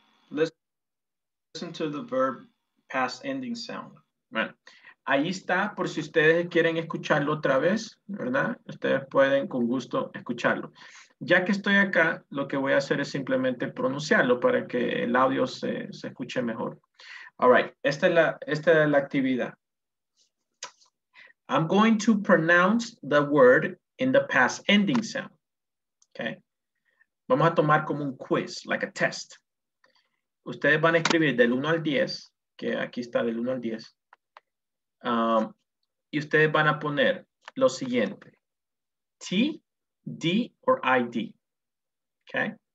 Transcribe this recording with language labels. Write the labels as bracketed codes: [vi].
[en] Listen to the verb past ending sound. [es] Bueno, ahí está por si ustedes quieren escucharlo otra vez, ¿verdad? Ustedes pueden con gusto escucharlo. Ya que estoy acá, lo que voy a hacer es simplemente pronunciarlo para que el audio se escuche mejor. All right, esta es la actividad. [en] I'm going to pronounce the word in the past ending sound. [es] Okay. Vamos a tomar como un quiz, [en] like a test. [es] Ustedes van a escribir del 1 al 10, que aquí está del 1 al 10. Y ustedes van a poner lo siguiente. T, D or ID. Okay.